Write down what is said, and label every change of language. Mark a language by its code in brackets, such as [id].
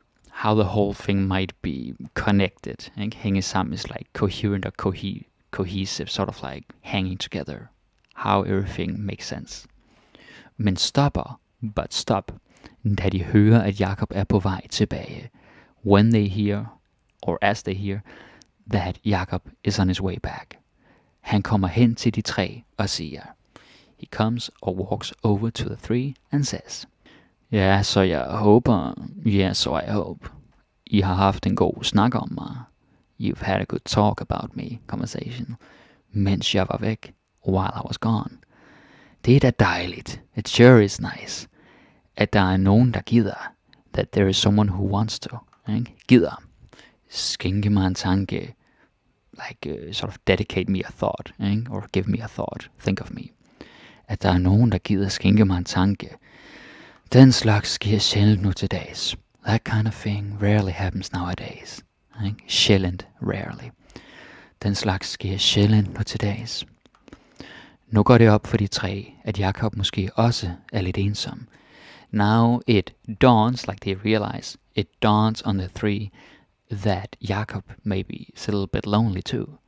[en] How the whole thing might be connected. Right? [da] Hænge sammen [en] is like coherent or cohesive, sort of like hanging together. How everything makes sense. [da] Men stopper, [en] but stop. [da] Da de hører, at Jakob er på vej tilbage. [en] When they hear, or as they hear, that Jakob is on his way back. [da] Han kommer hen til de tre og siger. [en] He comes or walks over to the three and says. [da] Ja, så jeg håber, I har haft en god snak om mig. [en] You've had a good talk about me, conversation, [da] mens jeg var væk, [en] while I was gone. [da] Det er da dejligt. [en] It sure is nice. [da] At der er nogen, der gider. [en] That there is someone who wants to. [da] Gider. Skænke mig en tanke. [en] Like, sort of dedicate me a thought. Or give me a thought. Think of me. [da] At der er nogen, der gider skænke mig en tanke. Den slags sker sjældent nu til dags. [en] That kind of thing rarely happens nowadays. [da] Sjældent, [en] rarely. [da] Den slags sker sjældent nu til dags. Nu går det op for de tre, at Jakob måske også er lidt ensom. [en] Now it dawns, like they realize, it dawns on the three that Jakob maybe is a little bit lonely too.